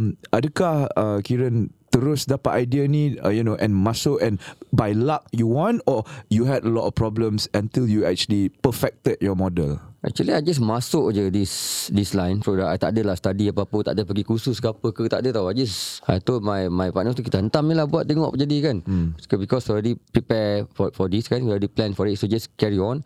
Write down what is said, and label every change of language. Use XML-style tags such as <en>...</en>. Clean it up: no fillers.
<ms>Adakah Kieran terus dapat idea ni,</ms> <en>you know, and masuk, and by luck you won, or you had a lot of problems until you actually perfected your model? Actually, I just</en> <ms>masuk je</ms> <en>this line product.</en> <ms>I tak adalah study apa-apa, tak ada pergi kursus ke apa ke, tak ada tau.</ms> <en>I told my partner</en> <ms>tu, kita hentam je lah buat, tengok apa jadi kan.</ms> <en>Because already prepare for this kan, already plan for it, so just carry on.</en>